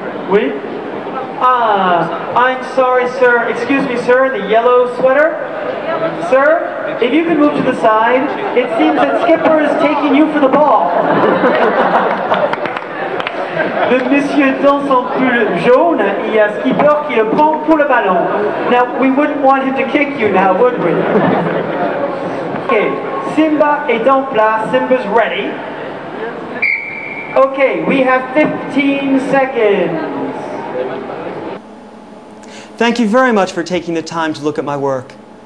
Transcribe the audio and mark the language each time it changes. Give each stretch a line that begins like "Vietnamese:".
French: Oui?
English: Ah, I'm sorry, sir. Excuse me, sir, the yellow sweater. Sir, if you can move to the side, it seems that Skipper is taking you for the ball.
French: Le monsieur dans son pull jaune, il y a Skipper qui le prend pour le ballon.
English: Now, we wouldn't want him to kick you now, would we? Okay,
French: Simba est en place.
English: Simba's ready. Okay, we have 15 seconds. Thank you very much for taking the time to look at my work.